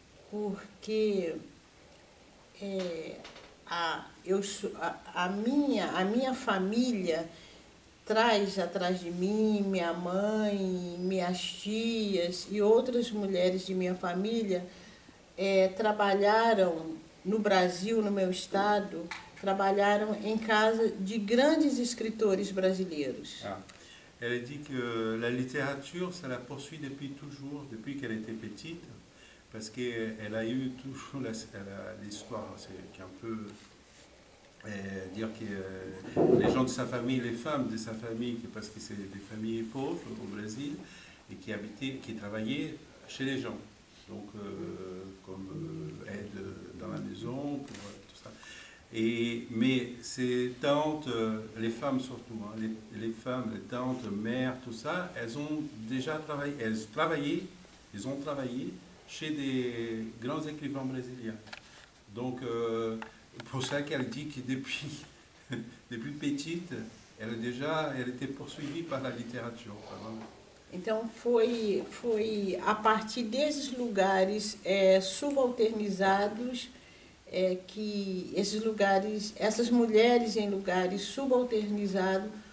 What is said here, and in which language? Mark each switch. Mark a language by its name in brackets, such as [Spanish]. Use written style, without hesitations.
[Portuguese] porque a minha família traz atrás de mim minha mãe, minhas tias e outras mulheres de minha família trabalharam no Brasil, no meu estado, trabalharam em casa de grandes escritores brasileiros. Ah. [French] Elle dit que la littérature, ça la poursuit depuis toujours, depuis qu'elle était petite, parce qu'elle a eu toujours l'histoire, c'est un peu dire que les gens de sa famille, les femmes de sa famille, parce que c'est des familles pauvres au Brésil, et qui habitaient, qui travaillaient chez les gens, donc comme aide dans la maison, pour tout ça. Et, mais ces tantes, les femmes surtout, hein, les femmes, les tantes, mères, tout ça, elles ont déjà travaillé, elles ont travaillé chez des grands écrivains brésiliens. Donc, pour ça qu'elle dit que depuis petite, elle était poursuivie par la littérature, pardon. [Portuguese] Então, foi a partir desses lugares subalternizados que esses lugares, essas mulheres em lugares subalternizados